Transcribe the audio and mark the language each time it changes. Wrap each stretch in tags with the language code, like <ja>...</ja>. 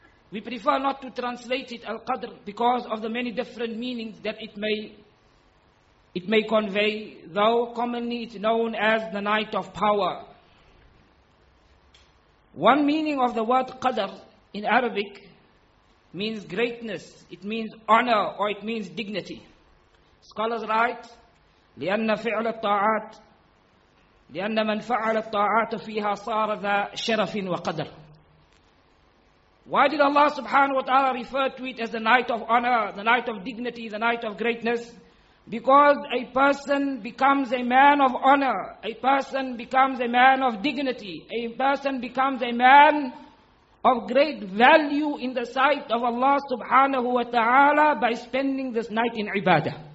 <en>We prefer not to translate it Al-Qadr because of the many different meanings that it may convey, though commonly it's known as the night of power. One meaning of the word Qadr in Arabic means greatness, it means honor, or it means dignity. Scholars write,</en> <ar>لِأَنَّ فِعْلَ الطَّاعَاتِ لِأَنَّ مَنْ فَعَلَ الطَّاعَاتُ فِيهَا صَارَ ذَا شَرَفٍ وَقَدْرٍ.</ar> <en>Why did Allah subhanahu wa ta'ala refer to it as the night of honor, the night of dignity, the night of greatness? Because a person becomes a man of honor, a person becomes a man of dignity, a person becomes a man of great value in the sight of Allah subhanahu wa ta'ala by spending this night in ibadah.</en>